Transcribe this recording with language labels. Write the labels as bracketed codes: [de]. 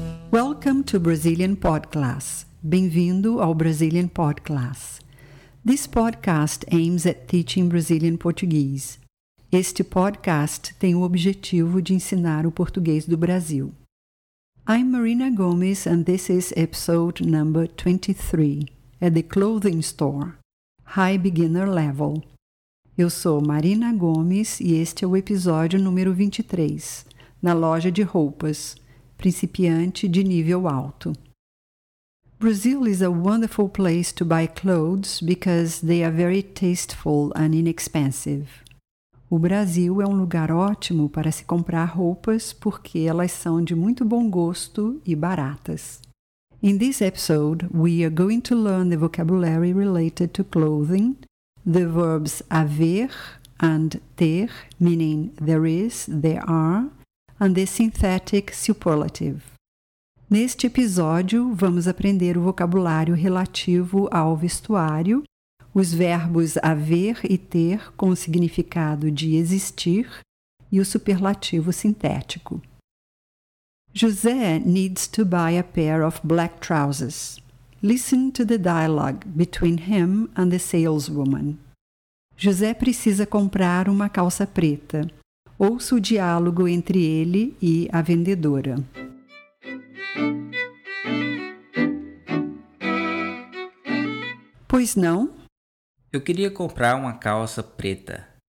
[en] Welcome to Brazilian Podclass. [pt] Bem-vindo ao Brazilian Podclass. [en] This podcast aims at teaching Brazilian Portuguese. [pt] Este podcast tem o objetivo de ensinar o português do Brasil. [en] I'm Marina Gomes and this is episode number 23, at the clothing store, high beginner level. [pt] Eu sou Marina Gomes e este é o episódio número 23, na loja de roupas, principiante de nível alto. [en] Brazil is a wonderful place to buy clothes because they are very tasteful and inexpensive. [pt] O Brasil é um lugar ótimo para se comprar roupas porque elas são de muito bom gosto e baratas. [en] In this episode, we are going to learn the vocabulary related to clothing, the verbs haver and ter, meaning there is, there are, and the synthetic superlative. [pt] Neste episódio, vamos aprender o vocabulário relativo ao vestuário, os verbos haver e ter com o significado de existir e o superlativo sintético. [en] José needs to buy a pair of black trousers. Listen to the dialogue between him and the saleswoman. [pt] José precisa comprar uma calça preta. Ouça o diálogo entre ele e a vendedora. Pois não? Eu queria comprar uma calça preta.